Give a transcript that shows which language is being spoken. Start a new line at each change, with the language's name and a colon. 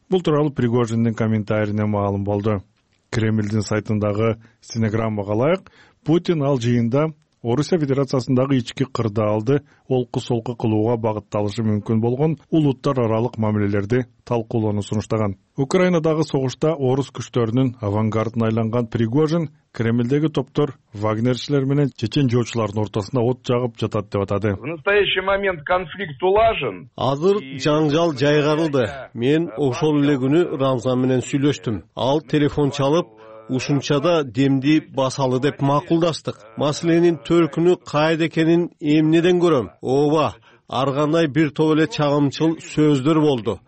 Kyrgyz: Бул тууралуу Пригожиндин комментарийинен маалым болду. Кремлдин сайтындагы стенограммага ылайык, Путин ал жыйында Орусия Федерациясындагы ички кырдаалды олку-солку кылууга багытталышы мүмкүн болгон улуттар аралык мамилелерди талкуулоону сунуштаган. Украинадагы согушта орус күчтөрүнүн авангардына айланган Пригожин Кремлдеги топтор Вагнерчилер менен чечен жоочулардын ортосунда от жагып жатат деп атады.
Russian: В настоящий момент конфликт улажен.
Kyrgyz: Азыр жаңжал жайгарылды. Мен ошол эле күнү Рамзан менен сүйлөштүм. Ал телефон чалып, ушунчада демди басалы деп макулдаштык. Маселенин төркүнү кайда экенин эмнеден көрөм? Ооба, ар кандай бир топ эле чагымчыл сөздөр болду.